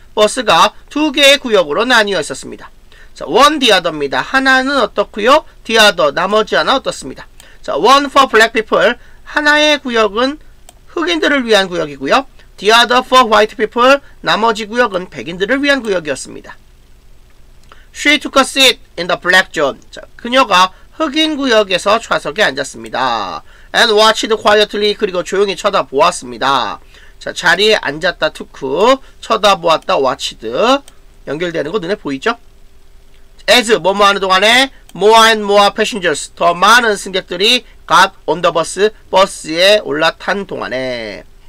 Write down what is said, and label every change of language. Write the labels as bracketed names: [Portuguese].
[Korean] 버스가 두 개의 구역으로 나뉘어 있었습니다. 자, one [English] the other [Korean] 입니다. 하나는 어떻고요? the other, 나머지 하나 어떻습니다. [English] 자, one for black people. [Korean] 하나의 구역은 흑인들을 위한 구역이고요. [English] the other for white people. [Korean] 나머지 구역은 백인들을 위한 구역이었습니다. [English] She took a seat in the black zone. [Korean] 자, 그녀가 흑인 구역에서 좌석에 앉았습니다. [English] And watched quietly, [Korean] 그리고 조용히 쳐다보았습니다. 자, 자리에 앉았다, took, 쳐다보았다, watched. 연결되는 거 눈에 보이죠? [English] As, [Korean] 뭐뭐 하는 동안에, [English] more and more passengers, [Korean] 더 많은 승객들이 [English] got on the bus, [Korean] 버스에 올라탄 동안에.